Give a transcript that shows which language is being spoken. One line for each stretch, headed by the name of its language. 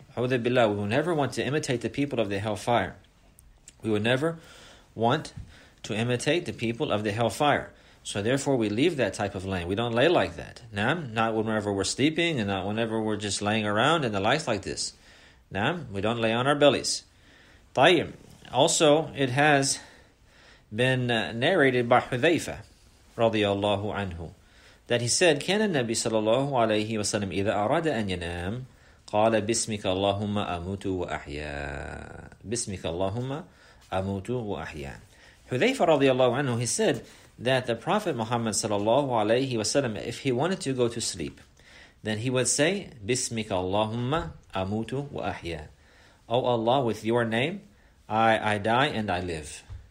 English: A'udhu billah, we will never want to imitate the people of the hellfire. We will never want to imitate the people of the hellfire. So therefore we leave that type of laying. We don't lay like that. Naam, not whenever we're sleeping and not whenever we're just laying around and the likes like this. Naam, we don't lay on our bellies. Tayyim. Also, it has been narrated by Hudhayfa radiyallahu anhu that he said,
Arabic: كَانَ النَّبِي صَلَى اللَّهُ عَلَيْهِ وَسَلَمْ إِذَا أَرَادَ أَنْ يَنَامْ قَالَ بِسْمِكَ اللَّهُمَّ أَمُوتُ وَأَحْيَا. بِسْمِكَ اللَّهُمَّ أَمُوتُ وَأَحْيَا.
English: Hudhayfa radiyallahu anhu, he said that the Prophet Muhammad صلى الله عليه وسلم, if he wanted to go to sleep, then he would say,
Arabic: بِسْمِكَ اللَّهُمَّ أَمُوتُ وَأَحْيَا.
English: O Allah, with your name, I die and I live.